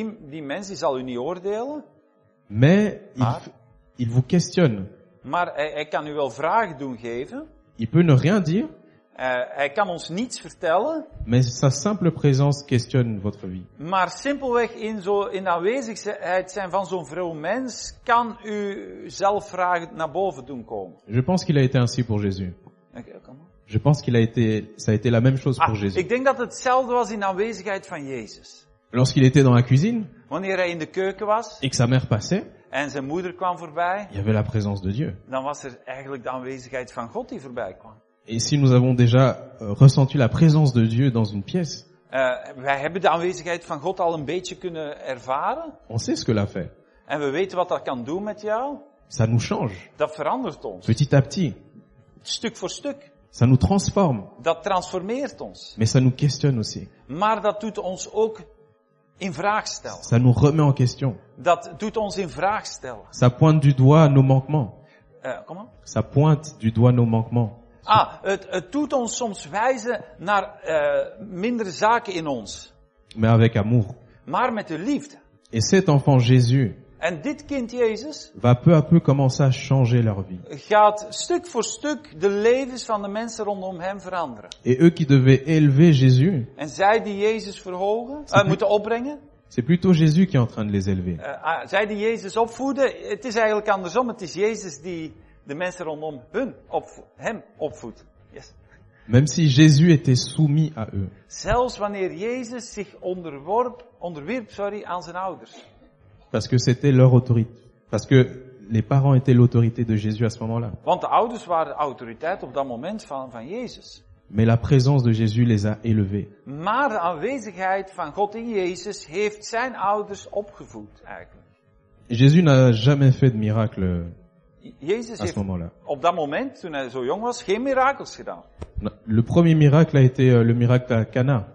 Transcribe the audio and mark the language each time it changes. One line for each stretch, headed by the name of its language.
Dutch: Die mens die zal u niet oordelen.
French: Mais il vous questionne.
Dutch: Maar hij kan u wel vragen doen geven.
French: Il peut ne rien dire.
Dutch: Hij kan ons niets vertellen.
French: Mais sa simple présence questionne votre vie.
Dutch: Maar simpelweg in aanwezigheid zijn van zo'n vroom mens kan u zelf vragen naar boven doen komen.
French: Je pense qu'il a été ainsi pour Jésus.
English: Okay,
French: je pense qu'il a été, ça a été la même chose pour Jésus.
Dutch: Ik denk dat hetzelfde was in aanwezigheid van Jezus.
French: Lorsqu'il était dans la cuisine.
Dutch: Wanneer hij in de keuken was.
French: Et que sa mère passait.
Dutch: En zijn moeder kwam voorbij.
French: Il y avait la présence de Dieu.
Dutch: Dan was er eigenlijk de aanwezigheid van God die voorbij kwam.
French: Et si nous avons déjà ressenti la présence de Dieu dans une pièce,
Dutch: wij hebben de aanwezigheid van God al een beetje kunnen ervaren.
French: On sait ce que l'a fait.
Dutch: En we weten wat dat kan doen met jou.
French: Ça nous change.
Dutch: Dat verandert ons.
French: Petit à petit.
Dutch: Stuk voor stuk.
French: Ça nous transforme.
Dutch: Dat transformeert ons.
French: Mais ça nous questionne aussi.
Dutch: Maar dat doet ons ook in vraag stellen.
French: Ça nous remet en question.
Dutch: Dat doet ons in vraag stellen.
French: Ça pointe du doigt nos manquements. Comment? Ça pointe du doigt nos manquements.
Dutch: Ah, het doet ons soms wijzen naar mindere zaken in ons.
French: Mais avec amour.
Dutch: Maar met de liefde.
French: Et cet enfant Jésus.
Dutch: En dit kind Jezus.
French: Va peu à peu commencer à changer leur vie.
Dutch: Gaat stuk voor stuk de levens van de mensen rondom hem veranderen.
French: Et eux qui devaient élever Jésus.
Dutch: En zij die Jezus verhogen, moeten opbrengen.
French: C'est plutôt Jésus qui est en train de les élever.
Dutch: Zij die Jezus opvoeden, het is eigenlijk andersom. Het is Jezus die de mensen rondom hem opvoedt.
English: Yes.
French: Même si Jésus était soumis à eux.
Dutch: Zelfs wanneer Jezus zich onderwierp aan zijn ouders.
French: Parce que c'était leur autorité. Parce que les parents étaient l'autorité de Jésus à ce moment-là.
Dutch: Want de ouders waren de autoriteit op dat moment van Jezus.
French: Mais la présence de Jésus les a élevés.
Dutch: Maar de aanwezigheid van God in Jezus heeft zijn ouders opgevoed eigenlijk.
French: Jésus n'a jamais fait de miracle
Dutch: Jezus
French: à ce moment-là.
Dutch: Op dat moment, toen hij zo jong was, geen miracles gedaan.
French: Le premier miracle a été le miracle à Cana.